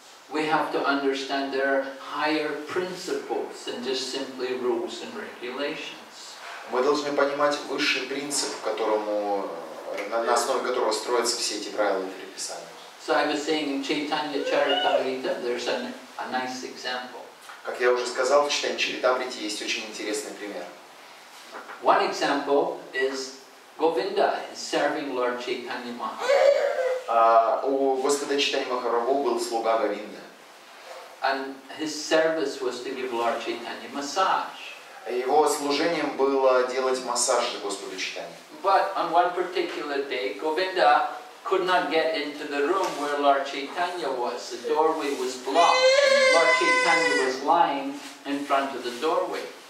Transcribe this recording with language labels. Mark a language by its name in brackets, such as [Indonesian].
[English] We have to understand there are higher principles than just simply rules and regulations. [Russian] Мы должны понимать высший принцип, на основе которого строятся все эти правила и предписания. [English] So I was saying in Chaitanya Charitamrita, there's a nice example. [Russian] Как я уже сказал, в Чайтанья Чаритамрите есть очень интересный пример. [English] One example is Govinda is serving Lord Chaitanya Mahaprabhu. [Russian] У Господа Чайтанья Махапрабху был слуга Говинда. [English] And his service was to give Lord Chaitanya massage. [Russian] Его служением было делать массаж для Господа Чайтанья. [English] But on one particular day, Govinda could not get into the room where Lord Chaitanya was. The doorway was blocked. Lord Chaitanya was lying in front of the doorway.